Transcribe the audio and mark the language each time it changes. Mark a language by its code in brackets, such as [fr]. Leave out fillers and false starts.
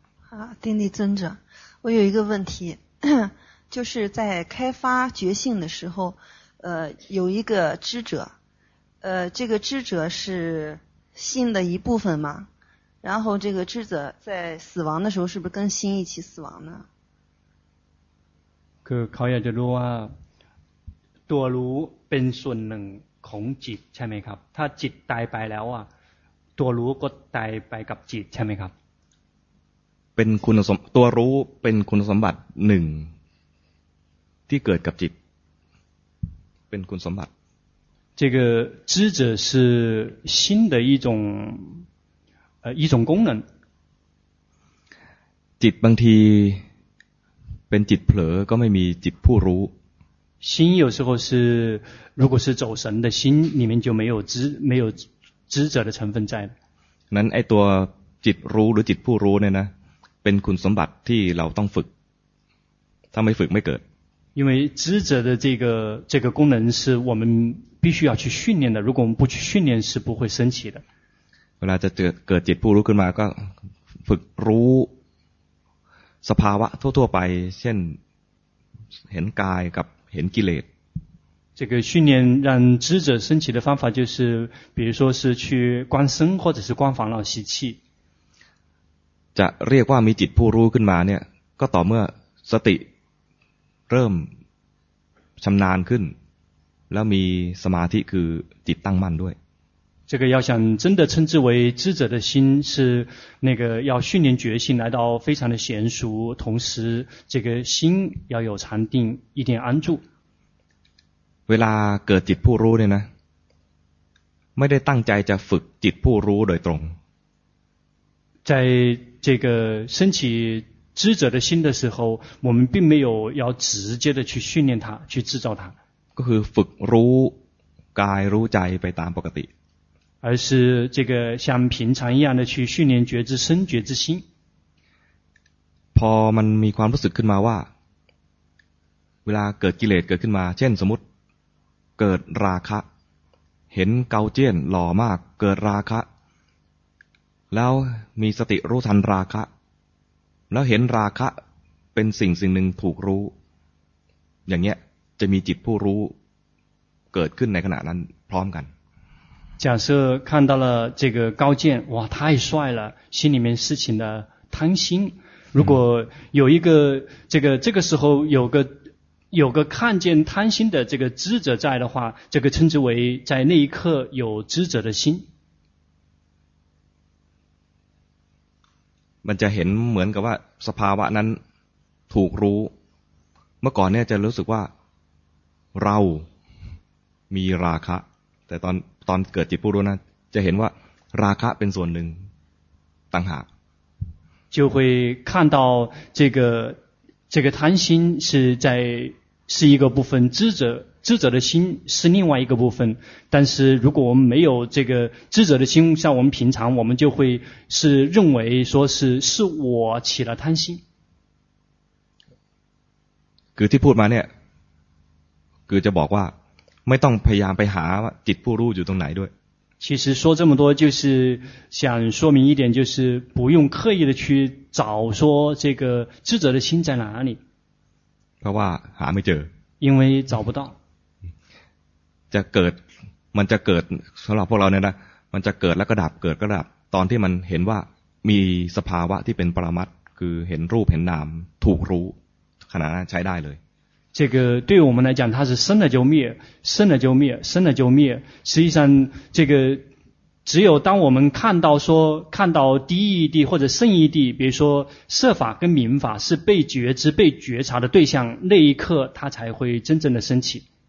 [zh] 啊丁力尊者我有一个问题就是在开发觉性的时候有一个知者这个知者是心的一部分嘛，然后这个智者在死亡的时候是不是跟心一起死亡呢？ [th] คือเขาอยากจะรู้ว่าตัวรู้เป็นส่วนหนึ่งของจิตใช่ไหมครับถ้าจิตตายไปแล้วอ่ะตัวรู้ก็ตายไปกับจิตใช่ไหมครับ เป็นคุณสมตัวรู้เป็นคุณสมบัติหนึ่งที่เกิดกับจิตเป็นคุณสมบัติ [zh] 这个知者是心的一种功能。 [th] จิตบางทีเป็นจิตเผลอก็ไม่มีจิตผู้รู้。 [zh] 心有时候是如果是走神的心里面就没有知者的成分在。 [th] นั้นไอ้ตัวจิตรู้หรือจิตผู้รู้เนี่ยนะเป็นคุณสมบัติที่เราต้องฝึกถ้าไม่ฝึกไม่เกิด。 [zh] 因为知者的这个功能是我们必须要去训练的，如果我们不去训练是不会升起的。 [th] เวลาจะเกิดจิตผู้รู้ขึ้นมาก็ฝึกรู้สภาวะทั่วๆไปเช่นเห็นกายกับเห็นกิเลส。 [zh] 这个训练让知者升起的方法就是，比如说是去观身或者是观烦恼习气。 [th] จะเรียกว่ามีจิตผู้รู้ขึ้นมาเนี่ยก็ต่อเมื่อสติเริ่มชำนาญขึ้นแล้วมีสมาธิคือจิตตั้งมั่นด้วย [zh] 这个要想真的称之为智者的心是那个要训练觉性来到非常的娴熟同时这个心要有禅定一点安住 [th] เวลาเกิดจิตผู้รู้เนี่ยนะไม่ได้ตั้งใจจะฝึกจิตผู้รู้โดยตรง [zh] 在这个升起智者的心的时候我们并没有要直接的去训练它去制造它 [th] ก็คือฝึกรู้กายรู้ใจไปตามปกติ [zh] 而是这个像平常一样的去训练觉知身觉知心 [th] พอมันมีความรู้สึกขึ้นมาว่าเวลาเกิดกิเลสเกิดขึ้นมาเช่นสมมติเกิดราคะเห็นเกาเจี้ยนหล่อมากเกิดราคะแล้วมีสติรู้ทันราคะแล้วเห็นราคะเป็นสิ่งหนึ่งถูกรู้อย่างเงี้ยจะมีจิตผู้รู้เกิดขึ้นในขณะนั้นพร้อมกัน [zh] 假设看到了这个高见哇太帅了心里面事情的贪心如果有一个这个时候有个看见贪心的这个知者在的话这个称之为在那一刻有知者的心 [th] มันจะเห็นเหมือนกับว่าสภาวะนั้นถูกรู้เมื่อก่อนเนี่ยจะรู้สึกว่าเรามีราคะแต่ตอนเกิดจิตผู้รู้นะจะเห็นว่าราคะเป็นส่วนหนึ่งต่างหาก [zh] 就会看到这个贪心是一个部分智者的心是另外一个部分但是如果我们没有这个智者的心像我们平常我们就会是认为说是我起了贪心 [th] คือที่พูดมาเนี่ยคือจะบอกว่าไม่ต้องพยายามไปหาว่าจิตผู้รู้อยู่ตรงไหนด้วย [zh] 其实说这么多就是想说明一点，就是不用刻意的去找说这个智者的心在哪里。 [th] เพราะว่าหาไม่เจอ [zh] 因为找不到 [th] จะเกิดมันจะเกิดสำหรับพวกเราเนี่ยนะมันจะเกิดแล้วก็ดับเกิดก็ดับตอนที่มันเห็นว่ามีสภาวะที่เป็นปรมัตถ์คือเห็นรูปเห็นนามถูกรู้ขณะนั้นใช้ได้เลย [zh] 这个对我们来讲它是生了就灭生了就灭生了就灭实际上这个只有当我们看到说看到第一义谛或者圣义谛比如说色法跟名法是被觉知被觉察的对象那一刻它才会真正的升起